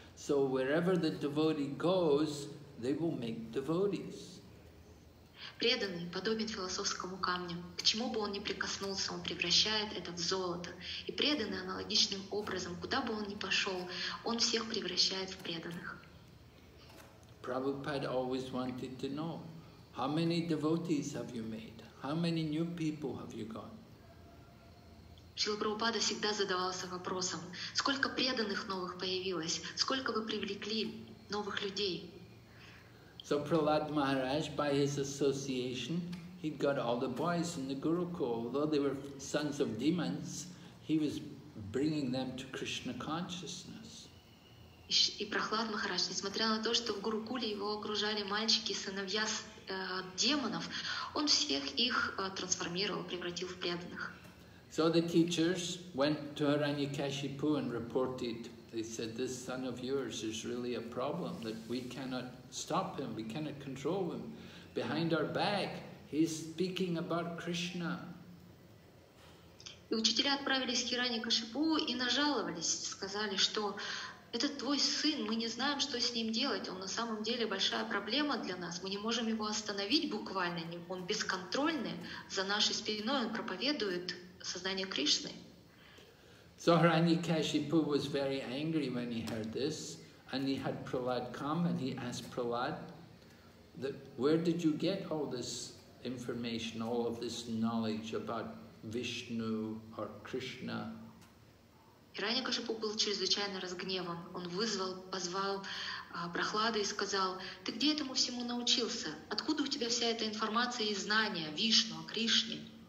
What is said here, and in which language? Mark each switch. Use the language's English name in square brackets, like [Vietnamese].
[English] So wherever the devotee goes, they will make devotees. [Russian] Преданный подобен философскому камню. К чему бы он ни прикоснулся, он превращает это в золото. И преданный аналогичным образом, куда бы он ни пошел, он всех превращает в преданных. [English] Prabhupada always wanted to know, how many devotees have you made? How many new people have you got? [Russian] Шрила Прабхупада всегда задавался вопросом, сколько преданных новых появилось, сколько вы привлекли новых людей? [English] So Prahlad Maharaj, by his association, he got all the boys in the Gurukul. Although they were sons of demons, he was bringing them to Krishna consciousness. [Russian] И Прохлад Махарадж, несмотря на то, что в Гурукуле его окружали мальчики, сыновья демонов, он всех их трансформировал, превратил в преданных. [English] So the teachers went to Haranyakashipu and reported. They said, this son of yours is really a problem that we cannot stop him, we cannot control him. Behind our back, he's speaking about Krishna. [Russian] И учителя отправились к Хираньякашипу и нажаловались, сказали, что это твой сын, мы не знаем, что с ним делать, он на самом деле большая проблема для нас, мы не можем его остановить буквально, он бесконтрольный, за нашей спиной он проповедует сознание Кришны. [English] So Haranyakashipu was very angry when he heard this, and he had Prahlad come and he asked Prahlad, where did you get all this information, all of this knowledge about Vishnu or Krishna? [Russian] Haranyakashipu был чрезвычайно разгневан. Он вызвал, позвал Прохлада и сказал, ты где этому всему научился? Откуда у тебя вся эта информация и знания о Вишну, о Кришне?